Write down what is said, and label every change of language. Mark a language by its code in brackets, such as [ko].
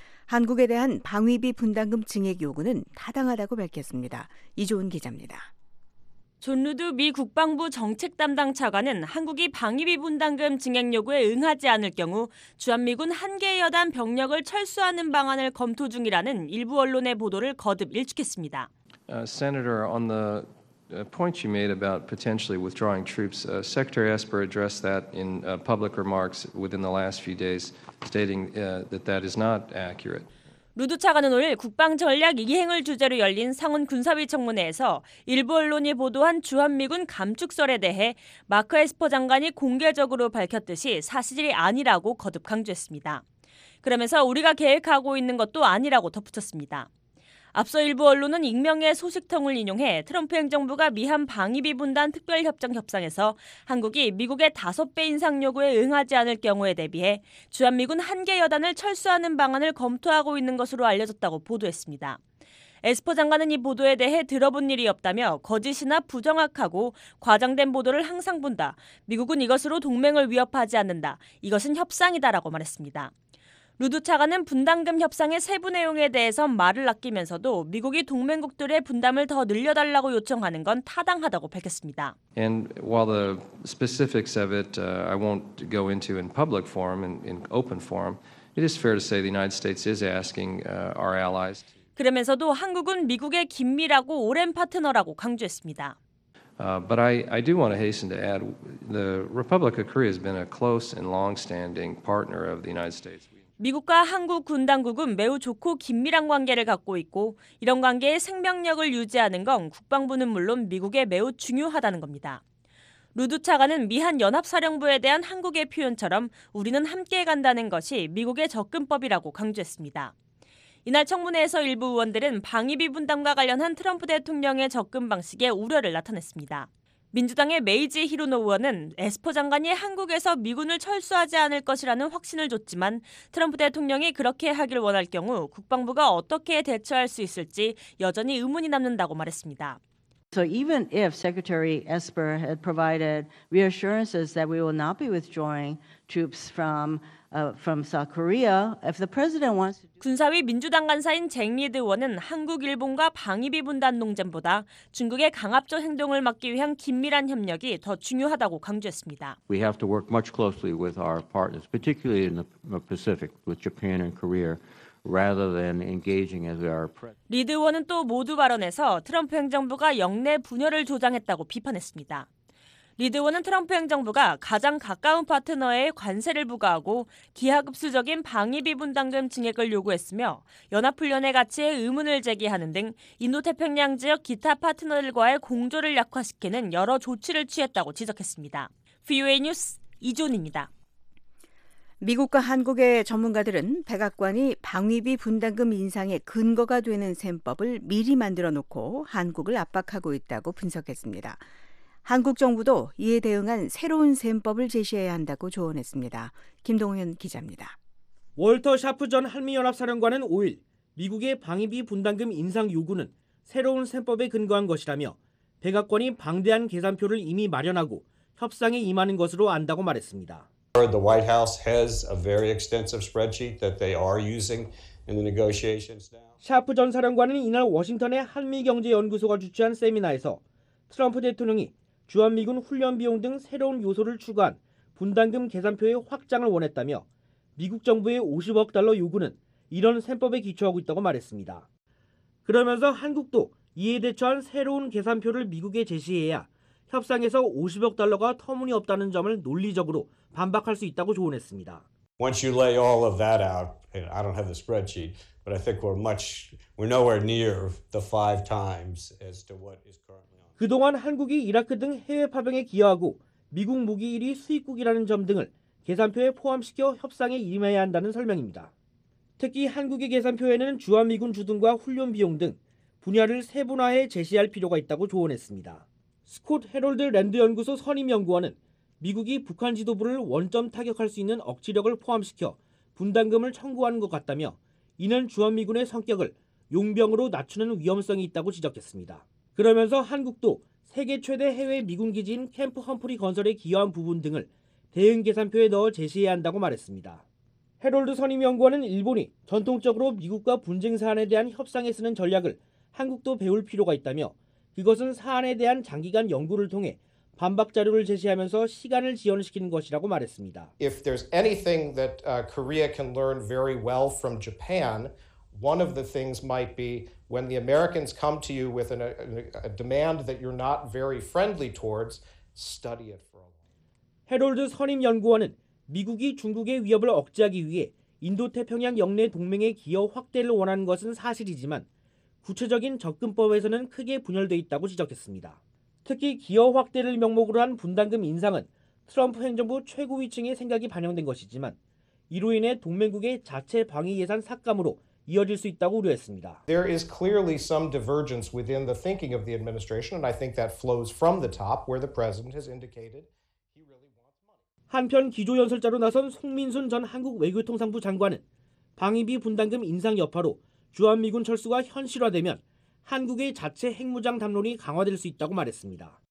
[ko] 한국에 대한 방위비 분담금 증액 요구는 타당하다고 밝혔습니다. 이조은 기자입니다. 존 루드 미 국방부 정책 담당 차관은 한국이 방위비 분담금 증액 요구에 응하지 않을 경우 주한미군 한 개 여단 병력을 철수하는 방안을 검토 중이라는 일부 언론의 보도를 거듭 일축했습니다. [en] Senator, on the point you made about potentially withdrawing troops, Secretary Esper addressed that in public remarks within the last few days, stating that that is not accurate. [ko] 루드 차관은 오늘 국방전략 이행을 주제로 열린 상원 군사비 청문회에서 일부 언론이 보도한 주한미군 감축설에 대해 마크 에스퍼 장관이 공개적으로 밝혔듯이 사실이 아니라고 거듭 강조했습니다. 그러면서 우리가 계획하고 있는 것도 아니라고 덧붙였습니다. 앞서 일부 언론은 익명의 소식통을 인용해 트럼프 행정부가 미한 방위비 분담 특별협정 협상에서 한국이 미국의 5배 인상 요구에 응하지 않을 경우에 대비해 주한미군 1개 여단을 철수하는 방안을 검토하고 있는 것으로 알려졌다고 보도했습니다. 에스퍼 장관은 이 보도에 대해 들어본 일이 없다며 거짓이나 부정확하고 과장된 보도를 항상 본다. 미국은 이것으로 동맹을 위협하지 않는다. 이것은 협상이다라고 말했습니다. 루드 차관은 분담금 협상의 세부 내용에 대해서 말을 아끼면서도 미국이 동맹국들의 분담을 더 늘려달라고 요청하는 건 타당하다고 밝혔습니다. [en] And while the specifics of it I won't go into in public forum and in open forum, it is fair to say the United States is asking our allies. [ko] 그러면서도 한국은 미국의 긴밀하고 오랜 파트너라고 강조했습니다. [en] But I do want to hasten to add the Republic of Korea has been a close and long-standing partner of the United States. [ko] 미국과 한국 군 당국은 매우 좋고 긴밀한 관계를 갖고 있고 이런 관계의 생명력을 유지하는 건 국방부는 물론 미국에 매우 중요하다는 겁니다. 루드 차관은 미한 연합사령부에 대한 한국의 표현처럼 우리는 함께 간다는 것이 미국의 접근법이라고 강조했습니다. 이날 청문회에서 일부 의원들은 방위비 분담과 관련한 트럼프 대통령의 접근 방식에 우려를 나타냈습니다. 민주당의 메이지 히로노 의원은 에스퍼 장관이 한국에서 미군을 철수하지 않을 것이라는 확신을 줬지만 트럼프 대통령이 그렇게 하길 원할 경우 국방부가 어떻게 대처할 수 있을지 여전히 의문이 남는다고 말했습니다. [en] So even if Secretary Esper had provided reassurances that we will not be withdrawing troops from South Korea, if the president wants to [ko] 군사위 민주당 간사인 잭 리드 의원은 한국, 일본과 방위비 분담 농전보다 중국의 강압적 행동을 막기 위한 긴밀한 협력이 더 중요하다고 강조했습니다. [en] We have to work much closely with our partners, particularly in the Pacific, with Japan and Korea. Rather than engaging as we are. [ko] 리드 의원은 또 모두 발언에서 트럼프 행정부가 영내 분열을 조장했다고 비판했습니다. 리드 의원은 트럼프 행정부가 가장 가까운 파트너에 관세를 부과하고 기하급수적인 방위비 분담금 증액을 요구했으며 연합훈련의 가치에 의문을 제기하는 등 인도태평양 지역 기타 파트너들과의 공조를 약화시키는 여러 조치를 취했다고 지적했습니다. VOA 뉴스 이존입니다. 미국과 한국의 전문가들은 백악관이 방위비 분담금 인상의 근거가 되는 셈법을 미리 만들어 놓고 한국을 압박하고 있다고 분석했습니다. 한국 정부도 이에 대응한 새로운 셈법을 제시해야 한다고 조언했습니다. 김동현 기자입니다. 월터 샤프 전 한미연합사령관은 5일 미국의 방위비 분담금 인상 요구는 새로운 셈법에 근거한 것이라며 백악관이 방대한 계산표를 이미 마련하고 협상에 임하는 것으로 안다고 말했습니다. [en] The White House has a very extensive spreadsheet that they are using in the negotiations now. [ko] 샤프 전 사령관은 이날 워싱턴의 한미경제연구소가 주최한 세미나에서 트럼프 대통령이 주한미군 훈련 비용 등 새로운 요소를 추가한 분담금 계산표의 확장을 원했다며 미국 정부의 50억 달러 요구는 이런 셈법에 기초하고 있다고 말했습니다. 그러면서 한국도 이에 대처한 새로운 계산표를 미국에 제시해야 협상에서 50억 달러가 터무니없다는 점을 논리적으로 반박할 수 있다고 조언했습니다. [en] Once you lay all of that out, I don't have the spreadsheet, but I think we're nowhere near the five times as to what is currently on. [ko] 그동안 한국이 이라크 등 해외 파병에 기여하고 미국 무기 1위 수입국이라는 점 등을 계산표에 포함시켜 협상에 임해야 한다는 설명입니다. 특히 한국의 계산표에는 주한미군 주둔과 훈련 비용 등 분야를 세분화해 제시할 필요가 있다고 조언했습니다. 스콧 헤럴드 랜드 연구소 선임 연구원은 미국이 북한 지도부를 원점 타격할 수 있는 억지력을 포함시켜 분담금을 청구하는 것 같다며 이는 주한미군의 성격을 용병으로 낮추는 위험성이 있다고 지적했습니다. 그러면서 한국도 세계 최대 해외 미군 기지인 캠프 험프리 건설에 기여한 부분 등을 대응 계산표에 넣어 제시해야 한다고 말했습니다. 헤럴드 선임 연구원은 일본이 전통적으로 미국과 분쟁 사안에 대한 협상에 쓰는 전략을 한국도 배울 필요가 있다며 그것은 사안에 대한 장기간 연구를 통해 반박 자료를 제시하면서 시간을 지연시키는 것이라고 말했습니다. [en] If there's anything that Korea can learn very well from Japan, one of the things might be when the Americans come to you with a demand that you're not very friendly towards, study it for a while. [ko] 해럴드 선임 연구원은 미국이 중국의 위협을 억제하기 위해 인도태평양 영내 동맹의 기여 확대를 원하는 것은 사실이지만 구체적인 접근법에서는 크게 분열돼 있다고 지적했습니다. 특히 기여 확대를 명목으로 한 분담금 인상은 트럼프 행정부 최고위층의 생각이 반영된 것이지만 이로 인해 동맹국의 자체 방위 예산 삭감으로 이어질 수 있다고 우려했습니다. [en] There is clearly some divergence within the thinking of the administration and I think that flows from the top where the president has indicated he really wants money. [ko] 한편 기조 연설자로 나선 송민순 전 한국 외교통상부 장관은 방위비 분담금 인상 여파로 주한미군 철수가 현실화되면 한국의 자체 핵무장 담론이 강화될 수 있다고 말했습니다.